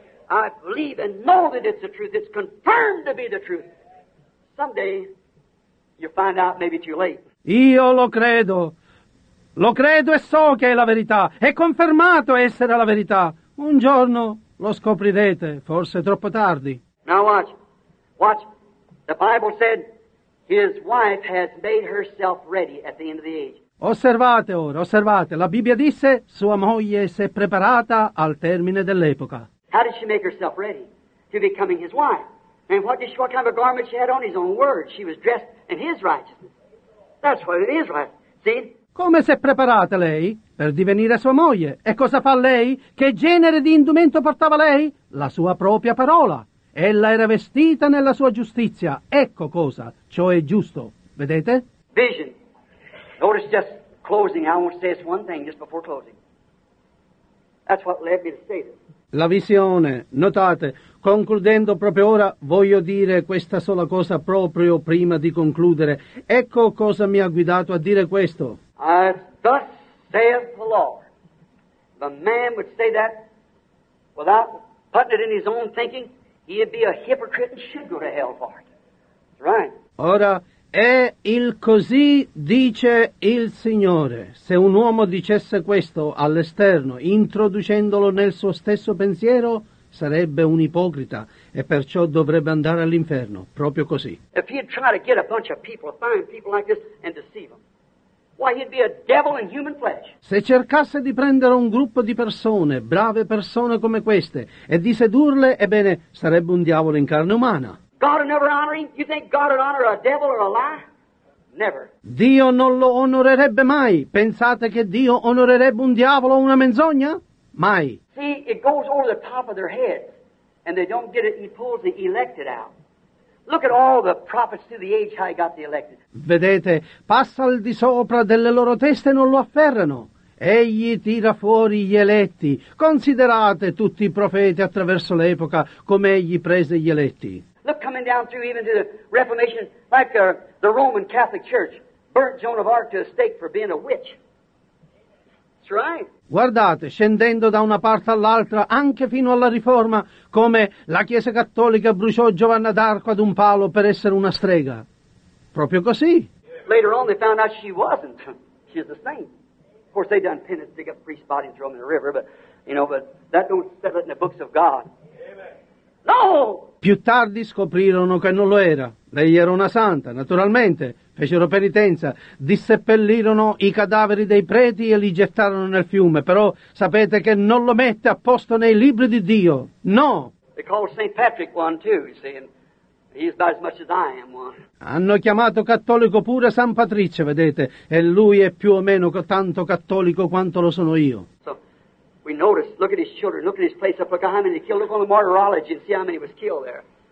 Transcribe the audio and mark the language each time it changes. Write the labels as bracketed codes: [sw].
[en] I believe and know that it's the truth. It's confirmed to be the truth. Someday, you'll find out maybe too late. [it] Io lo credo. Lo credo e so che è la verità. È confermato essere la verità. Un giorno lo scoprirete, forse troppo tardi. [en] Now watch. Watch. The Bible said, his wife has made herself ready at the end of the age. [it] Osservate ora, osservate. La Bibbia disse, sua moglie si è preparata al termine dell'epoca. [en] How did she make herself ready to becoming his wife? And what kind of a garment she had on? His own word. She was dressed in his righteousness. That's what it is, right? See? [it] Come si è preparata lei per divenire sua moglie? E cosa fa lei? Che genere di indumento portava lei? La sua propria parola. Ella era vestita nella sua giustizia. Ecco cosa. Ciò è giusto. Vedete? [en] Vision. Notice just closing. I want to say this one thing just before closing. That's what led me to say this. [it] La visione, notate, concludendo proprio ora, voglio dire questa sola cosa proprio prima di concludere. Ecco cosa mi ha guidato a dire questo. [en] As thus saith the Lord. If a man would say that without putting it in his own thinking, he'd be a hypocrite and should go to hell for it. That's right. [it] Ora, è il così dice il Signore. Se un uomo dicesse questo all'esterno, introducendolo nel suo stesso pensiero, sarebbe un ipocrita e perciò dovrebbe andare all'inferno, proprio così. [en] If he'd try to get a bunch of people, find people like this and deceive them, why he'd be a devil in human flesh. [it] Se cercasse di prendere un gruppo di persone, brave persone come queste, e di sedurle, ebbene, sarebbe un diavolo in carne umana. [en] God would never honor him? You think God would honor a devil or a lie? Never. [it] Dio non lo onorerebbe mai. Pensate che Dio onorerebbe un diavolo o una menzogna? Mai. [en] See, it goes over the top of their heads, and they don't get it, he pulls the elected out. Look at all the prophets through the age, how he got the elected. [it] Vedete, passa al di sopra delle loro teste e non lo afferrano. Egli tira fuori gli eletti. Considerate tutti i profeti attraverso l'epoca, come egli prese gli eletti. [en] Look, coming down through even to the Reformation, like the Roman Catholic Church burnt Joan of Arc to a stake for being a witch. It's right. [it] Guardate, scendendo da una parte all'altra, anche fino alla Riforma, come la Chiesa Cattolica bruciò Giovanna d'Arco ad un palo per essere una strega. Proprio così. [en] Later on they found out she wasn't. She's a saint. Of course they done penance, dig up priest's body and throw him in the river, but that don't settle it in the books of God. No! [it] Più tardi scoprirono che non lo era. Lei era una santa, naturalmente. Fecero penitenza, disseppellirono i cadaveri dei preti e li gettarono nel fiume. Però sapete che non lo mette a posto nei libri di Dio. No! [en] They called St. Patrick one too, you see, and he's about as much as I am one. [it] Hanno chiamato cattolico pure San Patrizio, vedete, e lui è più o meno tanto cattolico quanto lo sono io. [en] So, we notice, look at his children, look at his place up, look at how many killed, look on the martyrology and see how many was killed there.